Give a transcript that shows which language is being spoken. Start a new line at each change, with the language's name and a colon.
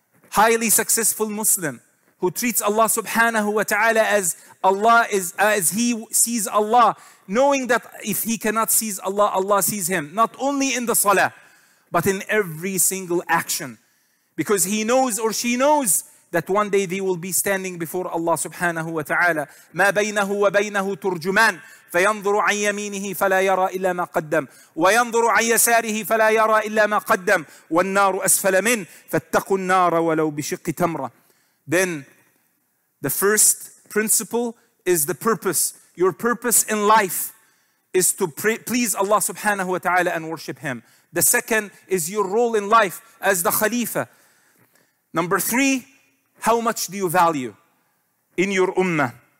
English: Highly successful Muslim who treats Allah subhanahu wa ta'ala as he sees Allah, knowing that if he cannot see Allah, Allah sees him, not only in the salah, but in every single action. Because he knows or she knows that one day they will be standing before Allah subhanahu wa ta'ala.
Arabic: ما بينه وبينه ترجمان فينظر عن يمينه فلا يرى إلا ما قدم وينظر عن يساره فلا يرى إلا ما قدم والنار أسفل من فاتقوا النار ولو بشق تمرة.
English: Then the first principle is the purpose. Your purpose in life is to please Allah subhanahu wa ta'ala and worship him. The second is your role in life as the Khalifa. Number three, how much do you value in your ummah?